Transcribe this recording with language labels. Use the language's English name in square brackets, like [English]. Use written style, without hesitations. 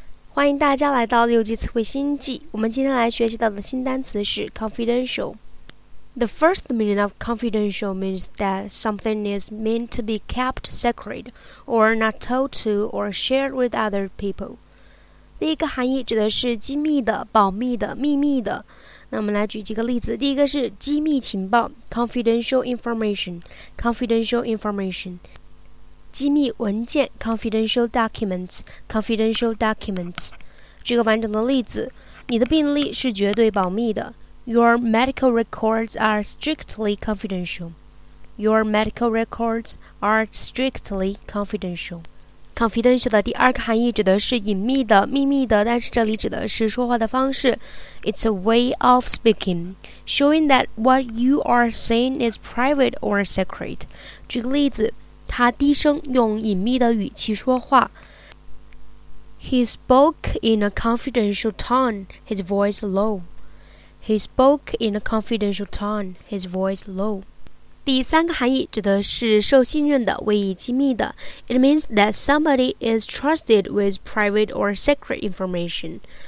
[Chinese] 欢迎大家来到六级词汇新季。我们今天来学习到的新单词是 confidential. [English] The first meaning of confidential means that something is meant to be kept secret or not told to or shared with other people. [Chinese] 第一个含义指的是机密的、保密的、秘密的。那我们来举几个例子。第一个是机密情报 , [English] confidential information, confidential information. [Chinese] 机密文件 , [English] confidential documents, confidential documents. [Chinese] 举个完整的例子。你的病历是绝对保密的。 [English] Your medical records are strictly confidential. Your medical records are strictly confidential. [Chinese] Confidential 的第二个含义指的是隐秘的、秘密的，但是这里指的是说话的方式。 [English] It's a way of speaking, showing that what you are saying is private or secret. [Chinese] 举个例子，他低声用隐秘的语气说话。 [English] He spoke in a confidential tone, his voice low. He spoke in a confidential tone, his voice low. [Chinese] 第三个含义指的是受信任的、委以机密的。 [English] It means that somebody is trusted with private or secret information.